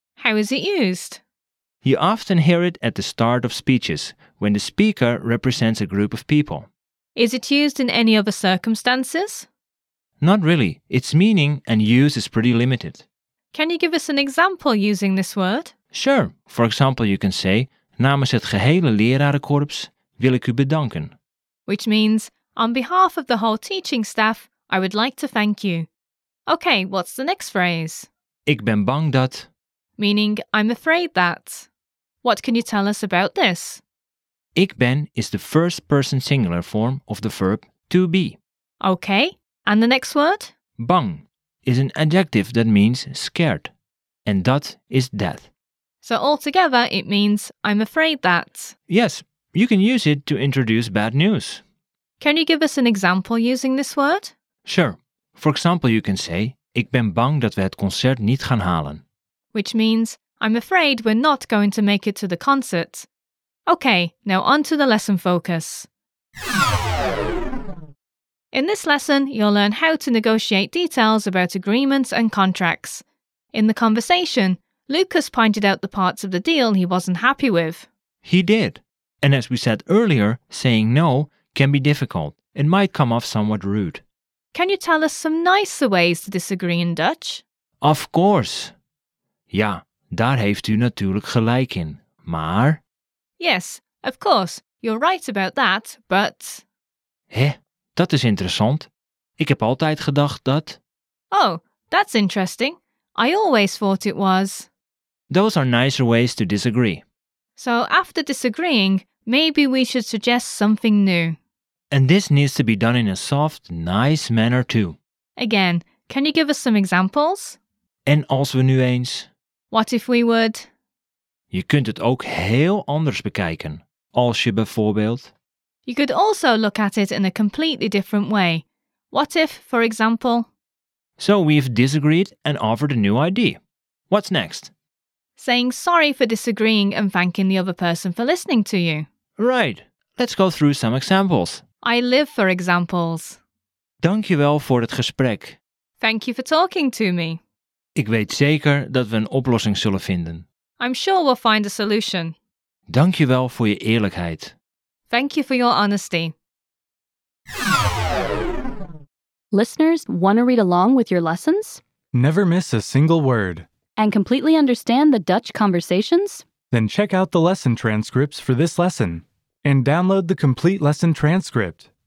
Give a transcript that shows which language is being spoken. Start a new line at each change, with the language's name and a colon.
English: How is it used? You often hear it at the start of speeches, when the speaker represents a group of people. Is it used in any other circumstances? Not really. Its meaning and use is pretty limited. Can you give us an example using this word? Sure. For example, you can say,
Dutch: namens het gehele lerarenkorps wil ik u bedanken.
English: Which means, on behalf of the whole teaching staff, I would like to thank you. Okay, what's the next phrase?
Dutch: Ik ben bang dat.
English: Meaning, I'm afraid that. What can you tell us about this? Ik ben is the first person singular form of the verb to be. Okay, and the next word? Bang is an adjective that means scared, and dat is death. So altogether it means I'm afraid that. Yes, you can use it to introduce bad news. Can you give us an example using this word? Sure. For example, you can say,
Dutch: ik ben bang dat we het concert niet gaan halen.
English: Which means, I'm afraid we're not going to make it to the concert. Okay, now on to the lesson focus. In this lesson, you'll learn how to negotiate details about agreements and contracts. In the conversation, Lucas pointed out the parts of the deal he wasn't happy with. He did. And as we said earlier, saying no can be difficult and might come off somewhat rude. Can you tell us some nicer ways to disagree in Dutch? Of course.
Dutch: Ja, daar heeft u natuurlijk gelijk in. Maar...
English: Yes, of course, you're right about that, but...
Dutch: Hé, dat is interessant. Ik heb altijd gedacht dat...
English: Oh, that's interesting. I always thought it was... Those are nicer ways to disagree. So after disagreeing, maybe we should suggest something new. And this needs to be done in a soft, nice manner too. Again, can you give us some examples?
Dutch: En als we nu eens...
English: What if we would...
Dutch: Je kunt het ook heel anders bekijken, als je bijvoorbeeld...
English: You could also look at it in a completely different way. What if, for example... So we've disagreed and offered a new idea. What's next? Saying sorry for disagreeing and thanking the other person for listening to you. Right. Let's go through some examples. I live for examples.
Dutch: Dankjewel voor het gesprek.
English: Thank you for talking to me.
Dutch: Ik weet zeker dat we een oplossing zullen vinden.
English: I'm sure we'll find a solution.
Dutch: Dankjewel voor je eerlijkheid.
English: Thank you for your honesty. Listeners, want to read along with your lessons? Never miss a single word. And completely understand the Dutch conversations? Then check out the lesson transcripts for this lesson. And download the complete lesson transcript.